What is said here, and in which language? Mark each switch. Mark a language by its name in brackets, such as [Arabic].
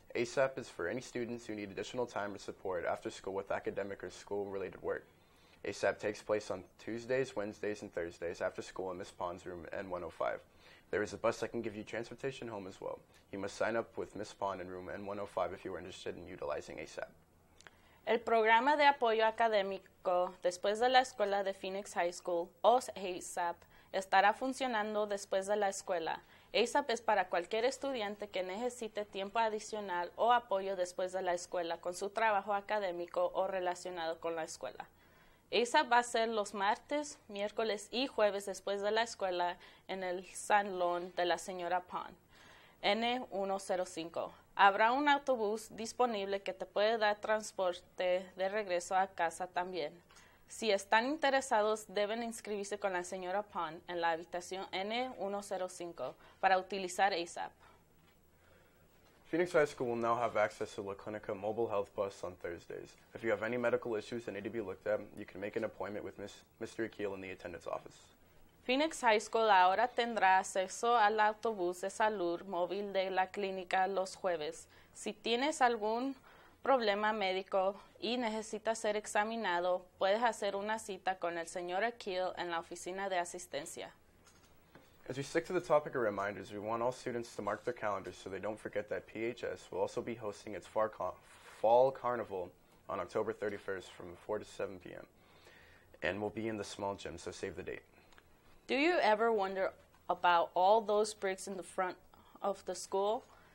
[English] ASAP is for any students who need additional time or support after school with academic or school-related work. ASAP takes place on Tuesdays, Wednesdays, and Thursdays after school in Ms. Pond's room, N105. There is a bus that can give you transportation home as well. You must sign up with Ms. Pond in room N105 if you are interested in utilizing ASAP. [Spanish] El Programa de Apoyo Académico Después de la Escuela de Phoenix High School, o ASAP, estará funcionando después de la escuela. ASAP es para cualquier estudiante que necesite tiempo adicional o apoyo después de la escuela con su trabajo académico o relacionado con la escuela. ASAP va a ser los martes, miércoles y jueves después de la escuela en el salón de la señora Pond, N105. Habrá un autobús disponible que te puede dar transporte de regreso a casa también. Si están interesados, deben inscribirse con la señora Pond en la habitación N105 para utilizar ASAP. [English] Phoenix High School will now have access to La Clinica Mobile Health Bus on Thursdays. If you have any medical issues that need to be looked at, you can make an appointment with Mr. Akil in the attendance office. [Spanish] Phoenix High School ahora tendrá acceso al autobús de salud móvil de la clínica los jueves. Si tienes algún problema médico y necesitas ser examinado, puedes hacer una cita con el señor Akil en la oficina de asistencia. [English] As we stick to the topic of reminders, we want all students to mark their calendars so they don't forget that PHS will also be hosting its fall carnival on October 31st from 4 to 7 p.m. and will be in the small gym, so save the date. Do you ever wonder about all those bricks in the front of the school?